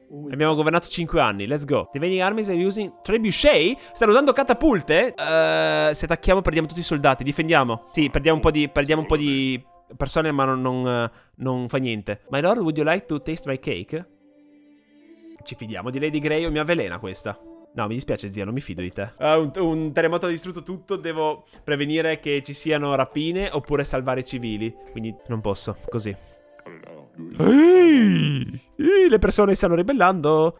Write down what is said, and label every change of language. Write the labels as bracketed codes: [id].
[it] Abbiamo governato 5 anni. [en] Let's go. The invading armies are using trebuchet? [it] Stanno usando catapulte? Se attacchiamo perdiamo tutti i soldati. Difendiamo. Sì, perdiamo un po' di persone, ma non fa niente. [en] My lord, would you like to taste my cake? [it] Ci fidiamo di Lady Grey o mi avvelena questa? No, mi dispiace zia, non mi fido di te. Un terremoto ha distrutto tutto. Devo prevenire che ci siano rapine oppure salvare i civili. Quindi non posso, così. Ehi, le persone stanno ribellando.